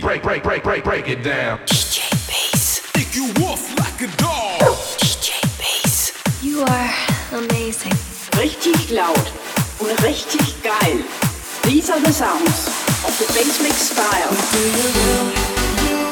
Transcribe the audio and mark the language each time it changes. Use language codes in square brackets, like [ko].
[en] Break, break, break, break, break it down. DJ Bass. Think you woof like a dog. DJ Bass. You are amazing. [de] Richtig laut und richtig geil. [en] These are the sounds of the Bass Mix Style.